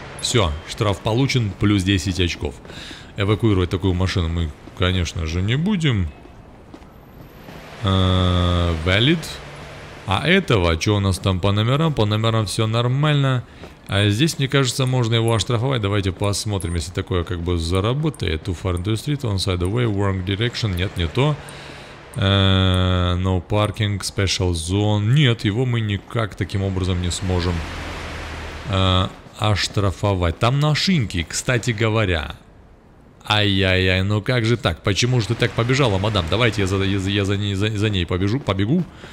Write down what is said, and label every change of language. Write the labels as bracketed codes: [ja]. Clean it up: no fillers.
[ru] Все, штраф получен, плюс 10 очков. Эвакуировать такую машину мы, конечно же, не будем. [en] Valid. [ru] А этого, что у нас там по номерам? По номерам все нормально. А здесь, мне кажется, можно его оштрафовать. Давайте посмотрим, если такое как бы заработает. [en] Too far into the street, on side of way, wrong direction. [ru] Нет, не то. [en] No parking, special zone. [ru] Нет, его мы никак таким образом не сможем оштрафовать. Там машинки, кстати говоря. Ай-яй-яй, ну как же так? Почему же ты так побежала, мадам? Давайте я за ней побегу.